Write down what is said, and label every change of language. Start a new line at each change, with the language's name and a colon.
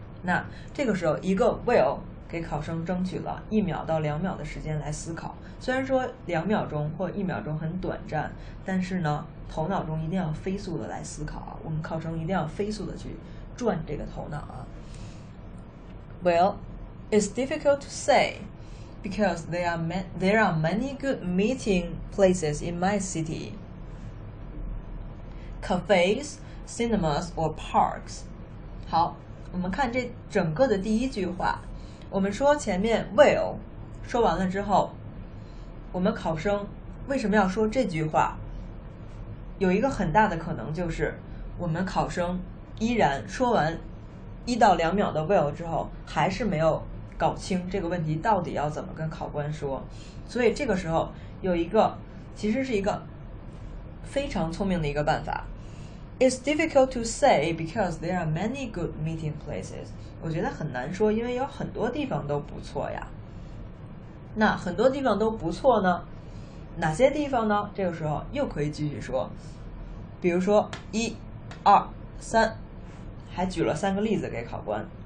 Chinese: 那这个时候一个 Well 给考生争取了一秒到两秒的时间来思考，虽然说两秒钟或一秒钟很短暂，但是呢头脑中一定要飞速的来思考，我们考生一定要飞速的去转这个头脑啊。
English: Well, it's difficult to say because there are many good meeting places in my city. CafesCinemas or parks.
Chinese: 好，我们看这整个的第一句话，我们说前面 will 说完了之后，我们考生为什么要说这句话？有一个很大的可能就是我们考生依然说完一到两秒的 will 之后还是没有搞清这个问题到底要怎么跟考官说。所以这个时候有一个，其实是一个非常聪明的一个办法。
English: It's difficult to say because there are many good meeting places.
Chinese: 我觉得很难说，因为有很多地方都不错呀。那很多地方都不错呢，哪些地方呢？这个时候又可以继续说，比如说一、二、三，还举了三个例子给考官。